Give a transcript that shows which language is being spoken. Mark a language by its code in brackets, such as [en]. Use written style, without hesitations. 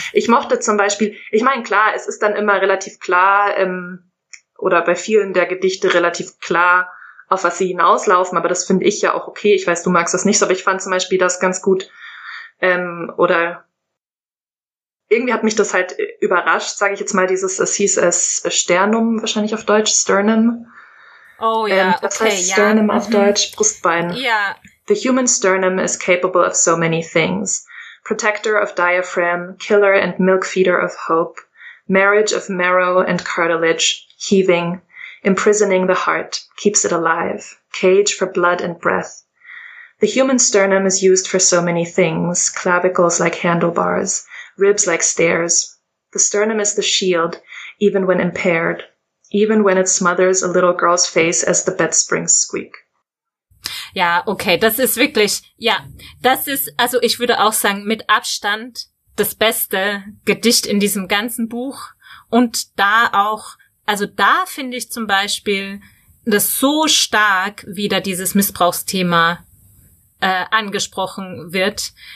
[de] Ich mochte zum Beispiel, ich meine, klar, es ist dann immer relativ klar, oder bei vielen der Gedichte relativ klar, auf was sie hinauslaufen, aber das finde ich ja auch okay. Ich weiß, du magst das nicht so, aber ich fand zum Beispiel das ganz gut, oder irgendwie hat mich das halt überrascht, sage ich jetzt mal, es hieß Sternum, wahrscheinlich auf Deutsch, Sternum. Oh ja, das heißt Sternum auf Deutsch, Brustbein. Ja. [en] The human sternum is capable of so many things. Protector of diaphragm, killer and milk feeder of hope, marriage of marrow and cartilage, heaving, imprisoning the heart, keeps it alive, cage for blood and breath. The human sternum is used for so many things, clavicles like handlebars, ribs like stairs. The sternum is the shield, even when impaired. Even when it smothers a little girl's face as the bedsprings squeak. [de] Ja, okay, das ist wirklich, ja, das ist, also ich würde auch sagen, mit Abstand das beste Gedicht in diesem ganzen Buch. Und da auch, also da finde ich zum Beispiel das so stark, wie da dieses Missbrauchsthema angesprochen wird.